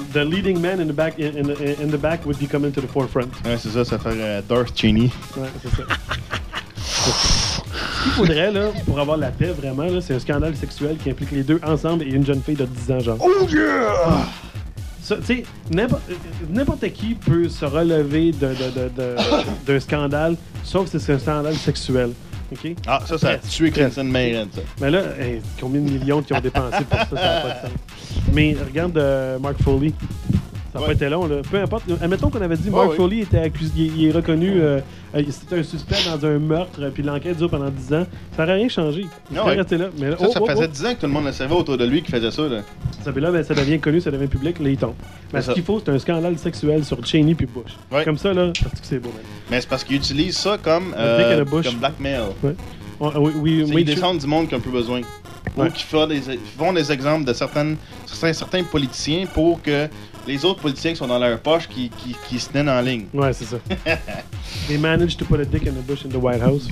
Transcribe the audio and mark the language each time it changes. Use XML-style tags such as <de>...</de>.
<en>The leading man in the back in the back would be coming to the forefront.</en> <fr>Ouais, c'est ça, ça ferait Darth Cheney. Ouais, c'est ça. Ce qu'il faudrait, là, pour avoir la paix, vraiment, là, c'est un scandale sexuel qui implique les deux ensemble et une jeune fille de 10 ans, genre.</fr> <en>Oh yeah!</en> <fr>Tu sais, n'importe qui peut se relever d'un scandale, sauf si c'est un scandale sexuel.</fr> <en>Okay?</en> <fr>Ah, ça, ça a tué Clinton Mayrand, ça. Mais là, combien de millions qu'ils ont dépensé pour ça, ça n'a pas de sens. Mais regarde Mark Foley. Ça n'a pas été long, là. Peu importe. Admettons qu'on avait dit Mark Foley était accusé, il est reconnu, c'était un suspect dans un meurtre, puis l'enquête dure pendant 10 ans. Ça n'aurait rien changé. Ça faisait 10 ans que tout le monde le savait autour de lui qui faisait ça, là. Ça devient connu, ça devient public, là, il tombe. Mais ce qu'il faut, c'est un scandale sexuel sur Cheney puis Bush. Ouais. Comme ça, là, parce que c'est beau, man. Mais c'est parce qu'il utilise ça comme, comme blackmail. Oui. Il descend du monde qui a plus besoin. Ou qui font des exemples de certains politiciens pour que les autres politiciens qui sont dans leur poche qui se tiennent en ligne. Ouais, c'est ça.</fr> <en>They managed to put a dick in a bush in the White House.</en>